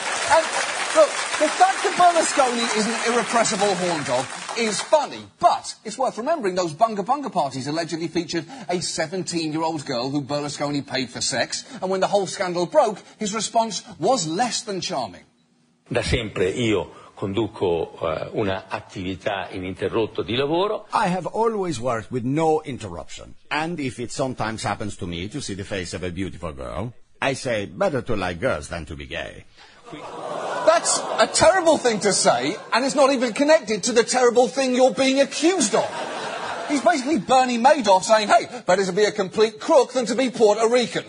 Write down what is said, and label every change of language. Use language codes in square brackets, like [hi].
[en] And, look, the fact that Berlusconi is an irrepressible horn dog is funny, but it's worth remembering those bunga bunga parties allegedly featured a 17-year-old girl who Berlusconi paid for sex, and when the whole scandal broke, his response was less than charming. [it] Da sempre io conduco una attività ininterrotto di lavoro. [en] I have always worked with no interruption. And if it sometimes happens to me to see the face of a beautiful girl, I say, better to like girls than to be gay. That's a terrible thing to say, and it's not even connected to the terrible thing you're being accused of. He's basically Bernie Madoff saying, hey, better to be a complete crook than to be Puerto Rican.